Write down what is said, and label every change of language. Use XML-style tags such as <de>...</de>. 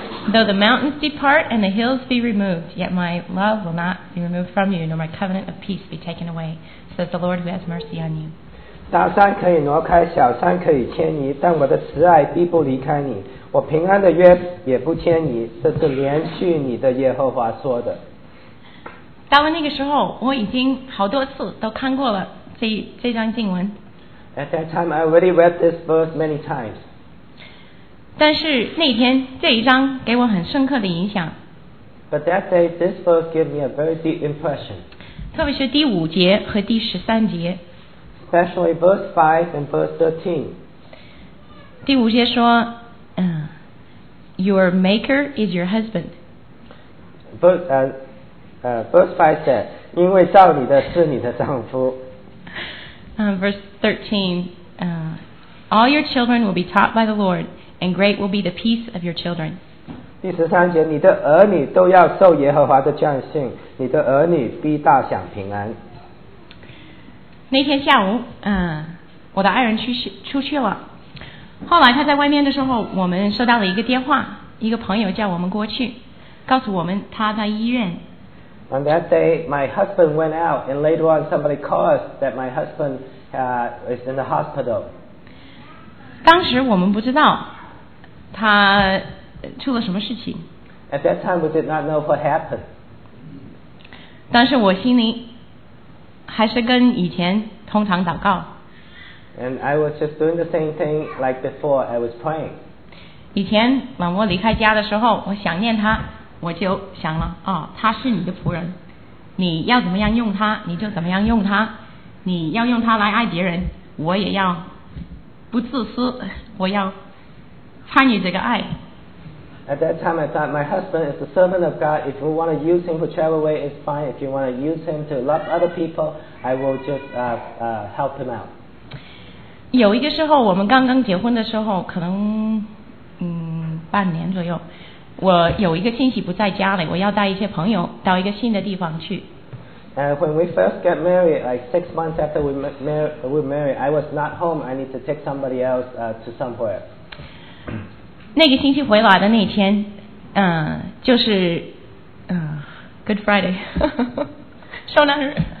<en>Though the mountains depart and the hills be removed, yet my love will not be removed from you, nor my covenant of peace be taken away, says the Lord who has mercy on you.</en> <zh>大山可以挪开，小山可以迁移，但我的慈爱必不离开你，我平安的约也不迁移，这是连续你的耶和华说的。到了那个时候，我已经好多次都看过了这张经文。</zh> <en>At that time, I already read this verse many times.</en> <zh>但是那天这一章给我很深刻的影响。</zh> <en>But that day, this verse gave me a very deep impression.</en> <zh>特别是第五节和第十三节。</zh> <en>Especially verse 5 and verse 13.</en> <zh>第五节说，</zh> <en>Your maker is your husband. Verse 5 said,</en> <zh>因为造你的是你的丈夫。</zh> <en>Verse 13, All your children will be taught by the Lord, and great will be the peace of your children.</en> <zh>第十三节，你的儿女都要受耶和华的教训，你的儿女必大享平安。那天下午，我的爱人出去了。后来他在外面的时候，我们收到了一个电话，一个朋友叫我们过去，告诉我们他在医院。</zh> <en>On that day, my husband went out, and later on, somebody called us that my husband is in the hospital.</en> <zh>当时我们不知道他出了什么事情。</zh> <en>At that time, we did not know what happened.</en> <zh>但是我心里还是跟以前通常祷告。</zh> <en>And I was just doing the same thing like before. I was praying.</en> <zh>以前老莫离开家的时候，我想念他。我就想了，哦，他是你的仆人，你要怎么样用他，你就怎么样用他，你要用他来爱别人，我也要不自私，我要参与这个爱。</zh> <en>At that time, I thought my husband is the servant of God. If you want to use him for travel way, it's fine. If you want to use him to love other people, I will just help him out.</en> <zh>有一个时候，我们刚刚结婚的时候，可能半年左右。我有一个亲戚不在家里，我要带一些朋友到一个新的地方去。</zh> <en>When we first got married, like 6 months after we married, I was not home. I need to take somebody else to somewhere.</en> <zh>那个星期回来的那天，就是Good Friday, 受难日。</zh>